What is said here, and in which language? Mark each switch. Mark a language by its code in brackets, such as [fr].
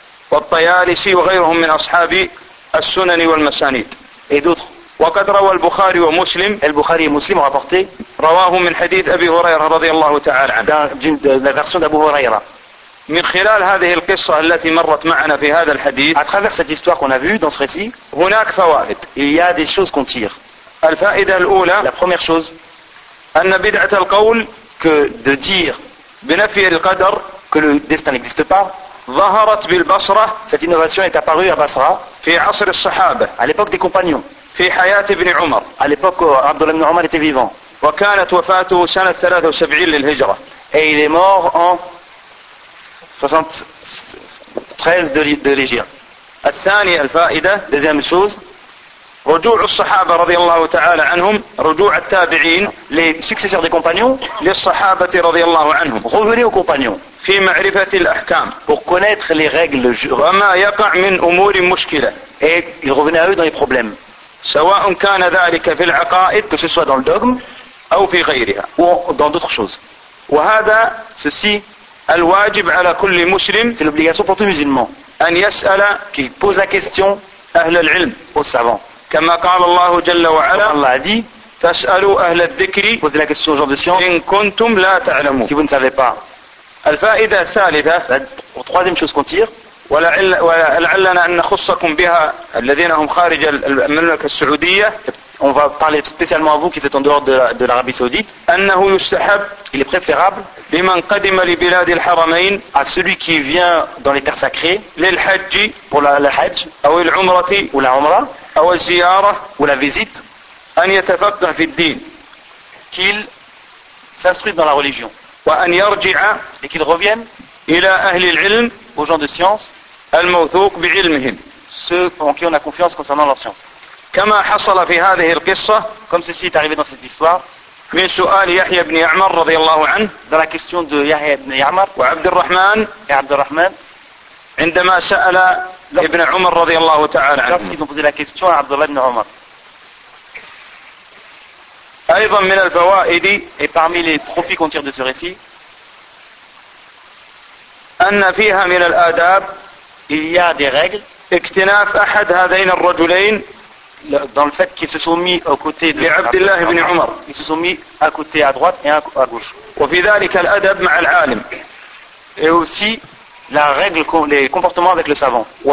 [ar] والطيالسي وغيرهم من أصحاب السنن والمسانيد. [fr] Et d'autres. [ar] وقد روى البخاري ومسلم. البخاري ومسلم رابطة. رواه من حديث أبي هريرة رضي الله تعالى عنه. [fr] Dans version d'Abu Huraira. [ar] من خلال هذه القصة التي مرت معنا في هذا الحديث. [fr] À travers cette histoire qu'on a vue dans ce récit. [ar] هناك فوائد. [fr] Il y a des choses qu'on tire. [ar] الفائدة الأولى. [fr] La première chose. [ar] أن بدعة القول. [fr] Que de dire. [ar] بنفي القدر. [fr] Que le destin n'existe pas. [ar] ظهرت بالبصرة. [fr] Cette innovation est apparue à Basra. [ar] في عصر الصحابة. [fr] À l'époque des compagnons. [ar] في حياة ابن عمر. [fr] À l'époque Abdullah ibn Omar était vivant. [ar] وكانت وفاته سنة 73 للهجرة. [fr] Et il est mort en 73 de l'Hégire. [ar] الثانية الفائدة. [fr] Deuxième chose. [ar] رجوع الصحابة رضي الله تعالى عنهم. رجوع التابعين. [fr] Les successeurs des compagnons. [ar] للصحابة رضي الله عنهم. [fr] Revenez aux compagnons. [ar] في معرفة الأحكام. [fr] Pour connaître les règles. [ar] وما يقع من أمور مشكلة. [fr] Et ils revenaient à eux dans les problèmes. [ar] سواء كان ذلك في العقائد. [fr] Que ce soit dans le dogme. [ar] أو في غيرها. [fr] Ou dans d'autres choses. [ar] وهذا. [fr] Ceci. [ar] الواجب على كل مسلم. [fr] C'est l'obligation pour tout musulman. [ar] أن يسأل. [fr] Qu'il pose la question. [ar] أهل العلم. [fr] Aux savants. [ar] كما قال الله جل وعلا. [fr] Comme Allah a dit. [ar] فاسألوا أهل الذكر. [fr] Posez la question aux gens de science. [ar] إن كنتم لا تعلمون. [fr] Si vous ne savez pas. [ar] الفائدة الثالثة. [fr] La troisième chose qu'on tire. [ar] ولعلنا أن نخصكم بها الذين هم خارج المملكة السعودية. [fr] On va parler spécialement à vous qui êtes en dehors de l'Arabie Saoudite. [ar] أنه يستحب. [fr] Il est préférable. [ar] لمن قدم لبلاد الحرمين. [fr] À celui qui vient dans les terres sacrées. [ar] للحج. [fr] Pour le Hajj. [ar] أو العمرة. [fr] Ou la Umra. [ar] أو الزيارة. [fr] Ou la visite. [ar] أن يتفقه في الدين. [fr] Qu'il s'instruise dans la religion. [ar] وأن يرجع. [fr] Et qu'il revienne. [ar] إلى أهل العلم. [fr] Aux gens de science. [ar] الموثوق بعلمهم. [fr] Ceux en qui on a confiance concernant leur science. [ar] كما حصل في هذه القصة. [fr] Comme ceci est arrivé dans cette histoire. [ar] من سؤال يحيى بن يعمر رضي الله عنه. [fr] Dans la question de يحيى بن يعمر. [ar] وعبد الرحمن. [fr] Et عبد الرحمن. [ar] عندما سأل ابن عمر رضي الله تعالى عنه. [fr] Lorsqu'ils ont posé la question à عبد الله بن عمر. [ar] أيضا من الفوائد. [fr] Et parmi les profits qu'on tire de ce récit. [ar] أن فيها من الآداب. [fr] Il y a des règles. [ar] اكتناف أحد هذين الرجلين. [fr] Dans le fait qu'ils se sont mis aux côtés de Abdullah ibn Umar. Ils se sont mis à côté à droite et à gauche. [ar] وفي ذلك الأدب مع العالم. [fr] et aussi la règle, les comportements avec le savant.